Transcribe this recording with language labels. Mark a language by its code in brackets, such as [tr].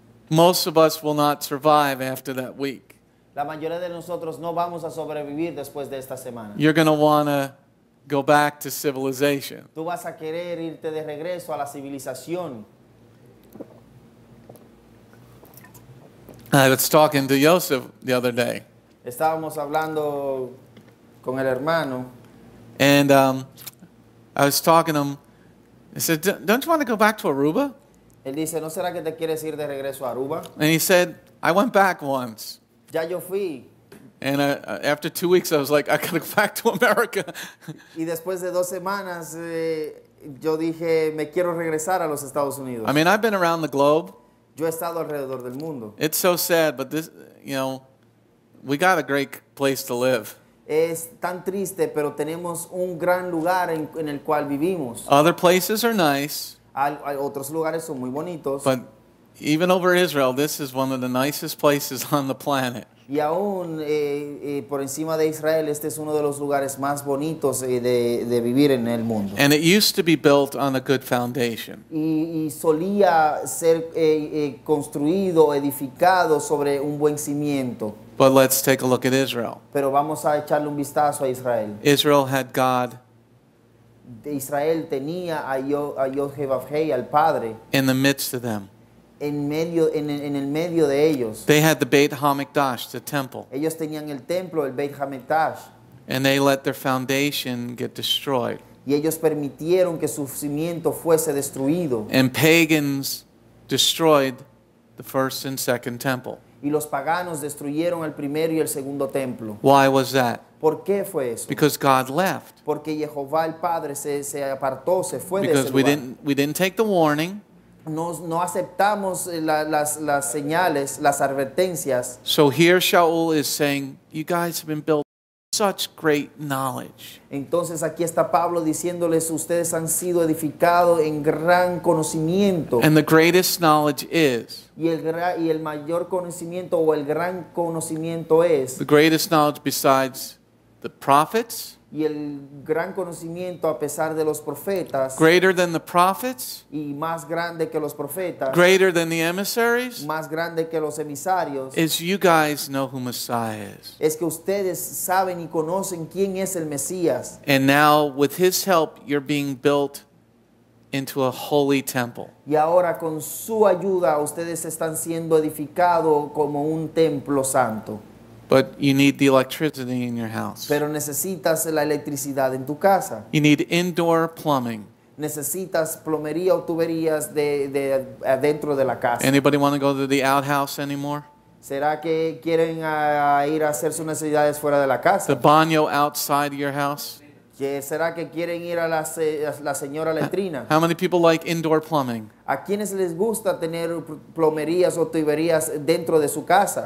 [en] Most of us will not survive after that week. [es] La mayoría de nosotros no vamos a sobrevivir después de esta semana. [en] You're going to want to go back to civilization. [es] Tú vas a querer irte de regreso a la civilización. [en] I was talking to Joseph the other day. [es] Estábamos hablando con el hermano. [en] And I was talking to him. I said, don't you want to go back to Aruba? [es] Él dice, ¿no será que te quieres ir de regreso a Aruba? [en] And he said, I went back once. [es] Ya yo fui. [en] And after 2 weeks, I was like, I gotta go back to America. [es] Y después de dos semanas, yo dije, me quiero regresar a los Estados Unidos. [en] I mean, I've been around the globe. [es] Yo he estado alrededor del mundo. [en] It's so sad, but this, you know, we got a great place to live. [es] Es tan triste, pero tenemos un gran lugar en el cual vivimos. [en] Other places are nice. [es] Otros lugares son muy bonitos. [en] But even over Israel, this is one of the nicest places on the planet. [es] Y aún por encima de Israel, este es uno de los lugares más bonitos de vivir en el mundo. [en] And it used to be built on a good foundation. [es] Y solía ser construido, edificado sobre un buen cimiento. [en] But let's take a look at Israel. [es] Pero vamos a echarle un vistazo a Israel. [en] Israel had God. [es] Israel tenía a YEHOVAH’S, al Padre. [en] In the midst of them. [es] En el medio de ellos. [en] They had the Beit HaMikdash, the temple. [es] Ellos tenían el templo, el Beit HaMikdash. [en] And they let their foundation get destroyed. [es] Y ellos permitieron que su cimiento fuese destruido. [en] And pagans destroyed the first and second temple. [es] Y los paganos destruyeron el primero y el segundo templo. [en] Why was that? [es] ¿Por qué fue eso? [en] Because God left. [es] Porque YEHOVAH el Padre se apartó, se fue. [en] Because [es] de ese lugar. [en] We didn't take the warning. [es] No aceptamos las señales, las advertencias. [en] So here Shaul is saying, you guys have been built such great knowledge. [es] Entonces aquí está Pablo diciéndoles, ustedes han sido edificados en gran conocimiento. [en] And the greatest knowledge is. [es] Y el mayor conocimiento o el gran conocimiento es. [en] The greatest knowledge besides the prophets. [es] Y el gran conocimiento a pesar de los profetas. [en] Greater than the prophets. [es] Y más grande que los profetas. [en] Greater than the emissaries. [es] Más grande que los emisarios. [en] Is you guys know who Messiah is. [es] Es que ustedes saben y conocen quién es el Mesías. [en] And now with his help you're being built into a holy temple. [es] Y ahora con su ayuda ustedes están siendo edificados como un templo santo. [en] But you need the electricity in your house. [es] Pero necesitas la electricidad en tu casa. [en] You need indoor plumbing. [es] Necesitas plomería o tuberías de adentro de la casa. [en] Anybody want to go to the outhouse anymore? [es] ¿Será que quieren ir a hacer sus necesidades fuera de la casa? [en] The baño outside your house? [es] ¿Será que quieren ir a la señora letrina? [en] How many people like indoor plumbing? [es] ¿A quiénes les gusta tener plomerías o tuberías dentro de su casa?